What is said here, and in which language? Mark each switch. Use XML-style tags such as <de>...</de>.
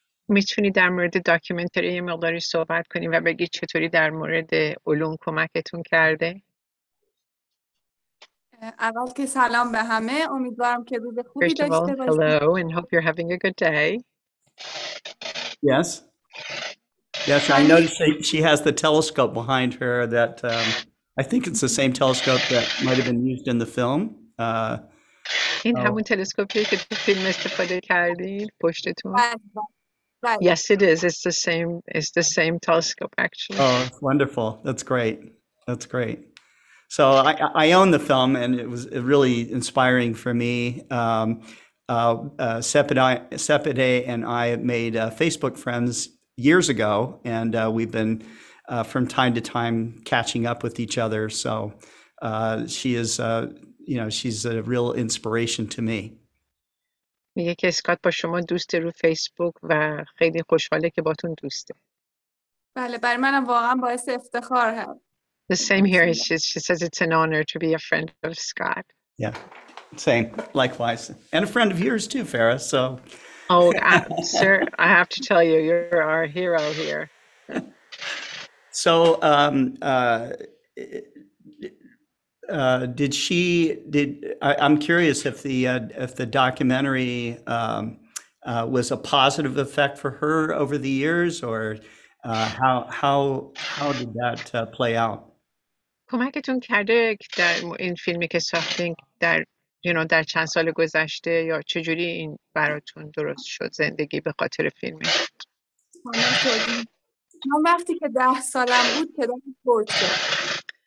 <fa>میتونی در مورد داکیومنتری یه مقداری صحبت کنی و بگی چطوری در مورد علوم کمکتون کرده؟ اول که سلام به همه، امیدوارم که روز خوبی داشته باشید.</fa> <en>Hello and hope you're having a good day. Yes. Yes, I noticed she has the telescope behind her that I think it's the same telescope that might have been used in the film.</en> <fa>این همون تلسکوپیه که تو فیلم استفاده کردید پشتتون.</fa> <en>Right. Yes, it is. It's the same telescope, actually. Oh, wonderful. That's great. So I own the film, and it was really inspiring for me. Sepideh and I made Facebook friends years ago, and we've been from time to time catching up with each other. So she is, you know, she's a real inspiration to me.</en> <fa>میگه که اسکات با شما دوسته رو فیسبوک و خیلی خوشحاله که باتون دوسته. بله برای منم واقعا باعث افتخار هم.</fa> <en>The same here. She says it's an honor to be a friend of Scott. Yeah, same. Likewise. And a friend of yours too, Farah, so. Oh, sir, I have to tell you, you're our hero here. So, did she did I'm curious if the documentary was a positive effect for her over the years, or how did that play out?</en> <fa>کمکتون کرده در این فیلمی که ساختین در you know در چند سال گذشته یا چجوری این براتون درست شد زندگی به خاطر فیلم؟ من وقتی که 10 سالم بود پدرم فوت کرد.</fa>